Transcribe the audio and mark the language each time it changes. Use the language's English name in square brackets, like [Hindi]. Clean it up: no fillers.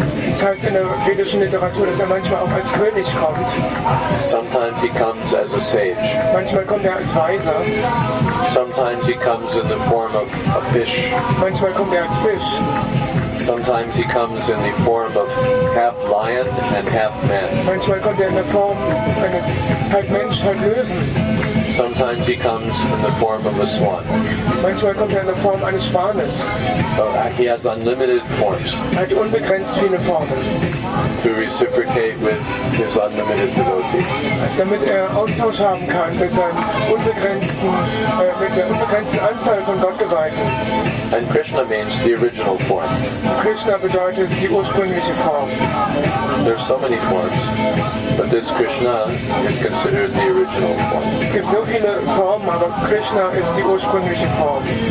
[German] Das heißt in der vedischen Literatur, dass er manchmal auch als König kommt. [English] Sometimes he comes as a sage. [German] Manchmal kommt er als Weiser. [English] Sometimes he comes in the form of a fish. [German] Manchmal kommt er als Fisch. [English] Sometimes he comes in the form of half lion and half man. [German] Manchmal kommt er in der Form eines halb Mensch, halb Löwen. [English] Sometimes he comes in the form of a swan. [German] Manchmal kommt er in der Form eines Schwanes. [English] He has unlimited forms. [German] Er hat unbegrenzt viele Formen. [English] To reciprocate with his unlimited devotees. [German] Damit er Austausch haben kann mit seinem unbegrenzten Anzahl von Gottgeweihten. [English] And Krishna means the original form. [German] Krishna bedeutet die ursprüngliche Form. [English] There's so many forms, but this Krishna is considered the original form. [German] Es gibt so viele Formen, aber Krishna ist die ursprüngliche Form.